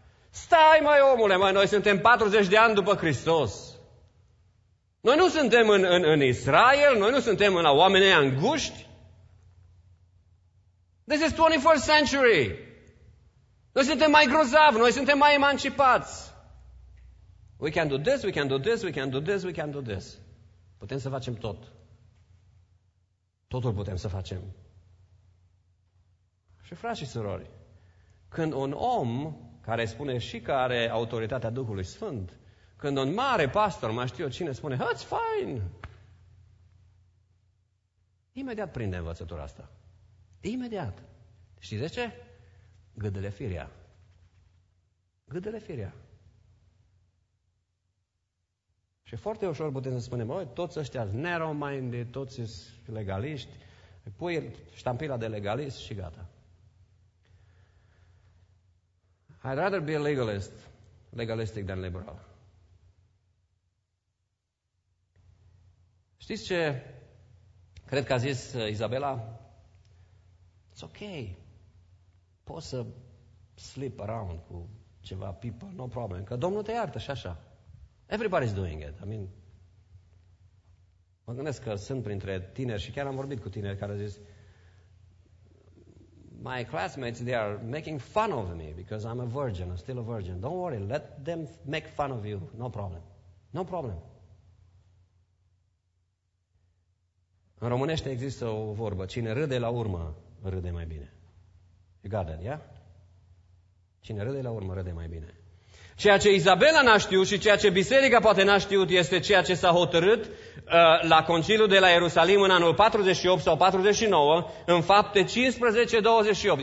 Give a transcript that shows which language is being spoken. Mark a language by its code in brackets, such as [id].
[ro] Stai, măi, omule, măi, noi suntem 40 de ani după Hristos. Noi nu suntem în Israel, noi nu suntem la oamenii înguști. [en] This is 21st century. [ro] Noi suntem mai grozavi, noi suntem mai emancipați. [en] We can do this, we can do this, we can do this, we can do this. [ro] Putem să facem tot. Totul putem să facem. Și frați și surori, când un om care spune și că are autoritatea Duhului Sfânt, când un mare pastor, mai știu eu cine, spune, [en] that's fine, [ro] imediat prinde învățătura asta. Imediat. Știți de ce? Gâdele firea. Gâdele firea. Și foarte ușor putem să spunem, măi, toți ăștia-s narrow-minded, toți-s legaliști, pui ștampila de legalist și gata. [en] I'd rather be a legalist, legalistic than liberal. [ro] Știți ce cred că a zis Izabela? [en] It's okay. [ro] Poți să [en] slip around [ro] cu ceva people, [en] no problem, [ro] că Domnul te iartă și așa. [en] Everybody's doing it. I mean, [ro] mă gândesc că sunt printre tineri și chiar am vorbit cu tineri care au zis, [en] my classmates, they are making fun of me because I'm a virgin, I'm still a virgin. Don't worry, let them make fun of you, no problem. No problem. [ro] În românește există o vorbă, cine râde la urmă, râde mai bine. [en] You got that, yeah? [ro] Cine râde la urmă, râde mai bine. Ceea ce Izabela n-a știut și ceea ce biserica poate n-a știut este ceea ce s-a hotărât la Conciliul de la Ierusalim în anul 48 sau 49, în Fapte 15:28.